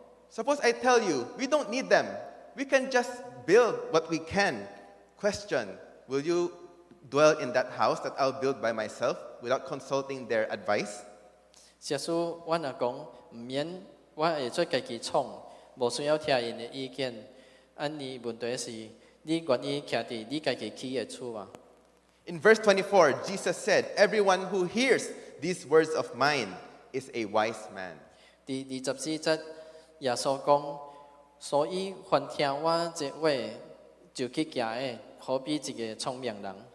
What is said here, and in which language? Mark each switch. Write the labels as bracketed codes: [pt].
[en] Suppose I tell you, we don't need them. We can just build what we can. Question, will you dwell in that house that I'll build by myself without consulting their advice? [nan] 假使我若讲唔免，我会做家己创，无需要听因的意见。安尼问题是，你愿意徛伫你家己起的厝吗 [en] ？In verse 24, Jesus said, "Everyone who hears these words of mine is a wise man." [nan] 第二十四节，耶稣讲，所以凡听我这话就去行的，何必一个聪明人